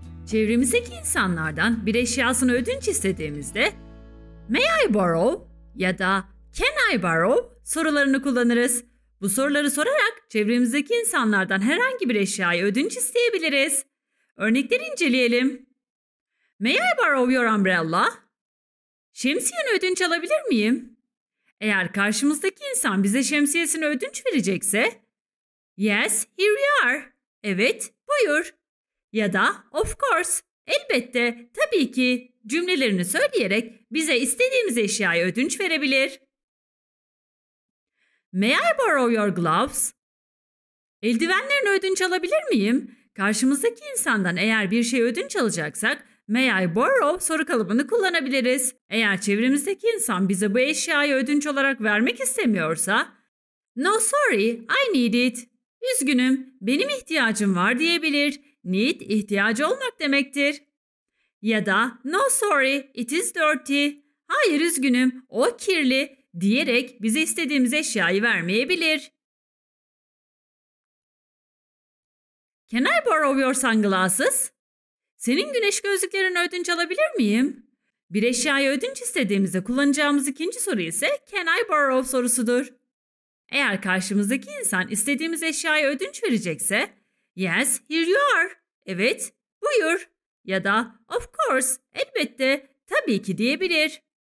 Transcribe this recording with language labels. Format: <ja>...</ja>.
<tr>Çevremizdeki insanlardan bir eşyasını ödünç istediğimizde</tr> <en>may I borrow</en> <tr>ya da</tr> <en>can I borrow</en> <tr>sorularını kullanırız. Bu soruları sorarak çevremizdeki insanlardan herhangi bir eşyayı ödünç isteyebiliriz. Örnekleri inceleyelim.</tr> <en>May I borrow your umbrella?</en> <tr>Şemsiyeni ödünç alabilir miyim? Eğer karşımızdaki insan bize şemsiyesini ödünç verecekse,</tr> <en>yes, here you are.</en> <tr>Evet, buyur. Ya da</tr> <en>of course,</en> <tr>elbette, tabii ki cümlelerini söyleyerek bize istediğimiz eşyayı ödünç verebilir.</tr> <en>May I borrow your gloves?</en> <tr>Eldivenlerini ödünç alabilir miyim? Karşımızdaki insandan eğer bir şey ödünç alacaksak,</tr> <en>may I borrow</en> <tr>soru kalıbını kullanabiliriz. Eğer çevremizdeki insan bize bu eşyayı ödünç olarak vermek istemiyorsa,</tr> <en>no sorry, I need it.</en> <tr>Üzgünüm, benim ihtiyacım var diyebilir. Need, ihtiyacı olmak demektir. Ya da</tr> <en>no sorry, it is dirty.</en> <tr>Hayır üzgünüm, o kirli diyerek bize istediğimiz eşyayı vermeyebilir.</tr> <en>Can I borrow your sunglasses?</en> <tr>Senin güneş gözlüklerini ödünç alabilir miyim? Bir eşyayı ödünç istediğimizde kullanacağımız ikinci soru ise</tr> <en>can I borrow</en> <tr>sorusudur. Eğer karşımızdaki insan istediğimiz eşyayı ödünç verecekse,</tr> <en>yes, here you are.</en> <tr>Evet, buyur. Ya da</tr> <en>of course,</en> <tr>elbette, tabii ki diyebilir.</tr>